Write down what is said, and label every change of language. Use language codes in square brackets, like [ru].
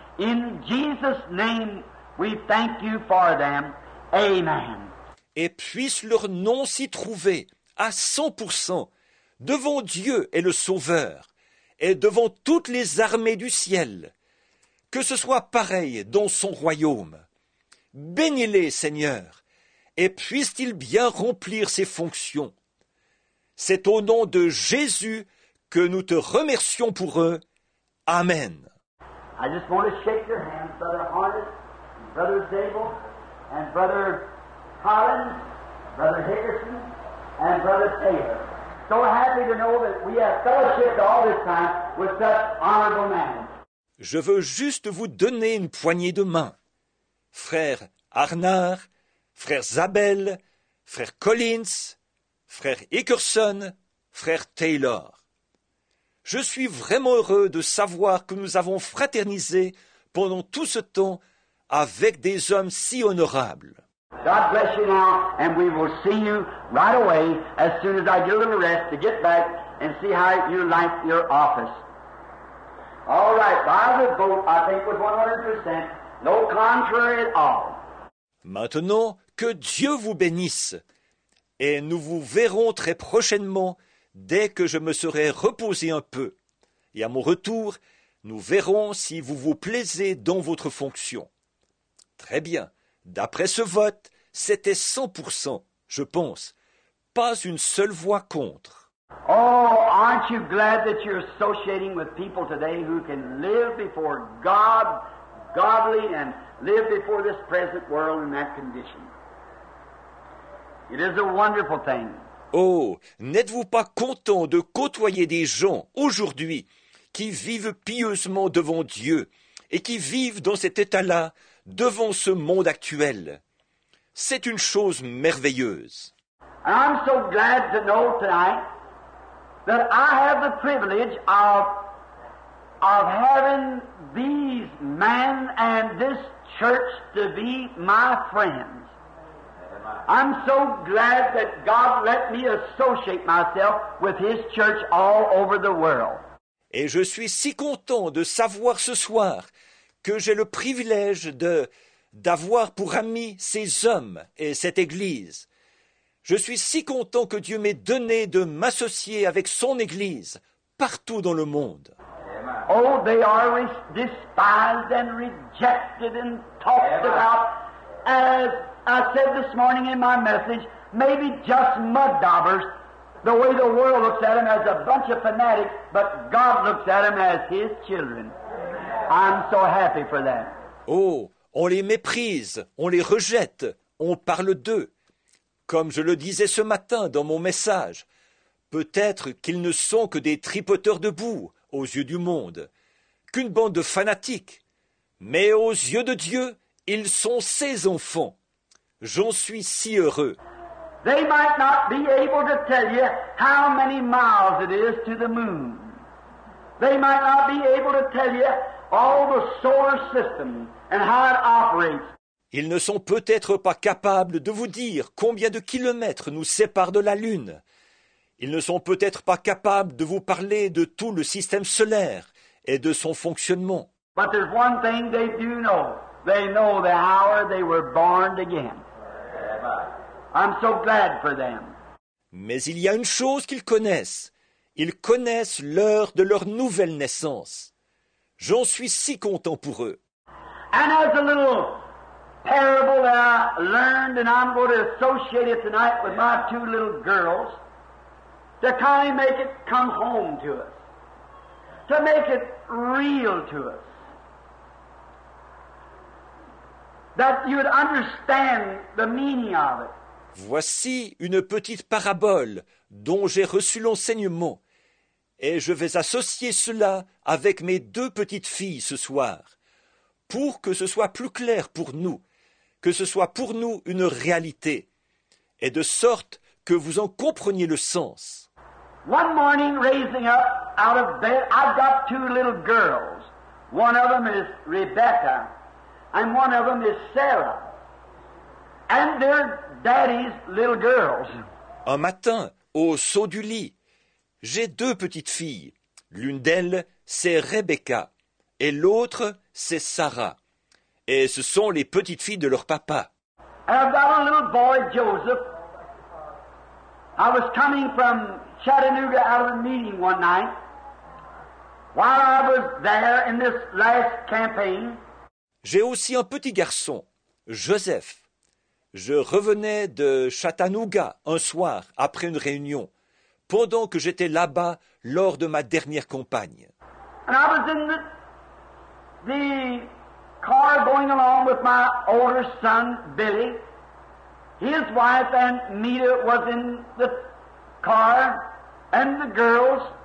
[en] In Jesus' name, we thank you for them. Amen. [fr] Et puisse leur nom s'y trouver à 100% devant Dieu et le Sauveur et devant toutes les armées du ciel, que ce soit pareil dans son royaume. Bénis-les, Seigneur, et puissent-ils bien remplir ses fonctions. C'est au nom de Jésus que nous te remercions pour eux. Amen. [en] I just want to shake your hands, Brother Harness, Brother Zabel, and Brother Collins, Brother Hickerson, and Brother Taylor. So happy to know that we have fellowshipped all this time with such honorable men. [fr] Je veux juste vous donner une poignée de main. Frère Arnard, frère Zabel, frère Collins, frère Hickerson, frère Taylor. Je suis vraiment heureux de savoir que nous avons fraternisé pendant tout ce temps avec des hommes si honorables. [en] God bless you now, and we will see you right away as soon as I get a little rest to get back and see how you like your office. All right, by the vote, I think with 100%, no contrary at all. [fr] Maintenant, que Dieu vous bénisse, et nous vous verrons très prochainement dès que je me serai reposé un peu. Et à mon retour, nous verrons si vous vous plaisez dans votre fonction. Très bien, d'après ce vote, c'était 100%, je pense, pas une seule voix contre. [en] Oh, aren't you glad that you're associating with people today who can live before God, godly, and live before this present world in that condition? It is a wonderful thing. [fr] Oh, n'êtes-vous pas content de côtoyer des gens aujourd'hui qui vivent pieusement devant Dieu et qui vivent dans cet état-là devant ce monde actuel? C'est une chose merveilleuse. [en] I'm so glad to know tonight that I have the privilege of having these men and this church to be my friends. I'm so glad that God let me associate myself with His church all over the world. [fr] Et je suis si content de savoir ce soir que j'ai le privilège d'avoir pour amis ces hommes et cette église. Je suis si content que Dieu m'ait donné de m'associer avec son Église partout dans le monde. [en] Oh, they are despised and rejected and talked about, as I said this morning in my message, maybe just mud daubers, the way the world looks at them as a bunch of fanatics, but God looks at them as His children. I'm so happy for that. [fr] Oh, on les méprise, on les rejette, on parle d'eux. Comme je le disais ce matin dans mon message, peut-être qu'ils ne sont que des tripoteurs de boue aux yeux du monde, qu'une bande de fanatiques, mais aux yeux de Dieu, ils sont ses enfants. J'en suis si heureux. [en] They might not be able to tell you how many miles it is to the moon. They might not be able to tell you all the solar system and how it operates. [fr] Ils ne sont peut-être pas capables de vous dire combien de kilomètres nous séparent de la Lune. Ils ne sont peut-être pas capables de vous parler de tout le système solaire et de son fonctionnement. [en] But there's one thing they do know. They know the hour they were born again. I'm so glad for them. [fr] Mais il y a une chose qu'ils connaissent. Ils connaissent l'heure de leur nouvelle naissance. J'en suis si content pour eux. [en] And as a little parable that I learned, and I'm going to associate it tonight with my two little girls, to kind of make it come home to us, to make it real to us, that you'd understand the meaning of it. [fr] Voici une petite parabole dont j'ai reçu l'enseignement, et je vais associer cela avec mes deux petites filles ce soir, pour que ce soit plus clair pour nous, que ce soit pour nous une réalité, et de sorte que vous en compreniez le sens. [en] One morning, raising up out of bed, I've got two little girls. One of them is Rebecca, and one of them is Sarah. And they're daddy's little girls. [fr] Un matin, au saut du lit, j'ai deux petites filles. L'une d'elles, c'est Rebecca, et l'autre, c'est Sarah. Et ce sont les petites filles de leur papa. [en] I've got a little boy, Joseph. I was coming from Chattanooga out of a meeting one night. While I was there in this last campaign. [fr] J'ai aussi un petit garçon, Joseph. Je revenais de Chattanooga un soir après une réunion, pendant que j'étais là-bas lors de ma dernière campagne. [en] And I was in the car going along with my older son, Billy. His wife and Mita was in the car and the girls.